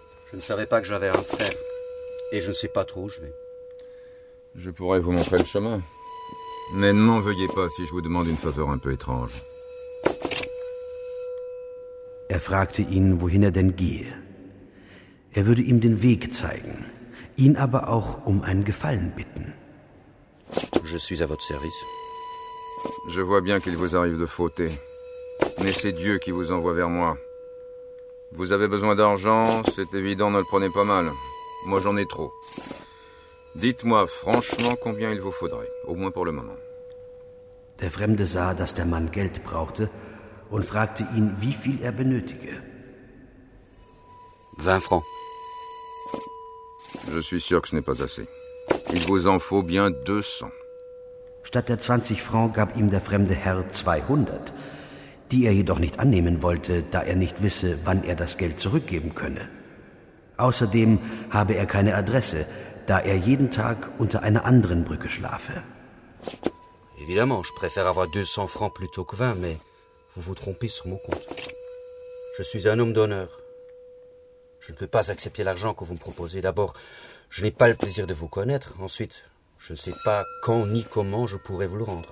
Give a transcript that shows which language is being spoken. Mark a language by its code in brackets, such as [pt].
[fr] Je ne savais pas que j'avais un frère. Et je ne sais pas trop où je vais. Je pourrais vous montrer le chemin. Mais ne m'en veuillez pas si je vous demande une faveur un peu étrange. [de] Er fragte ihn, wohin er denn gehe. Er würde ihm den Weg zeigen, ihn aber auch um einen Gefallen bitten. [fr] Je suis à votre service. Je vois bien qu'il vous arrive de fauter. Mais c'est Dieu qui vous envoie vers moi. Vous avez besoin d'argent, c'est évident, ne le prenez pas mal. Moi, j'en ai trop. Dites-moi franchement combien il vous faudrait, au moins pour le moment. [de] Der Fremde sah, dass der Mann Geld brauchte und fragte ihn, wie viel er benötige. [fr] 20 francs. Je suis sûr que ce n'est pas assez. Il vous en faut bien 200. [de] Statt der 20 francs gab ihm der fremde Herr 200. Die er jedoch nicht annehmen wollte, da er nicht wisse, wann er das Geld zurückgeben könne. Außerdem habe er keine Adresse, da er jeden Tag unter einer anderen Brücke schlafe. [fr] Évidemment, je préfère avoir 200 francs plutôt que 20, mais vous vous trompez sur mon compte. Je suis un homme d'honneur. Je ne peux pas accepter l'argent que vous me proposez. D'abord, je n'ai pas le plaisir de vous connaître. Ensuite, je ne sais pas quand ni comment je pourrais vous le rendre.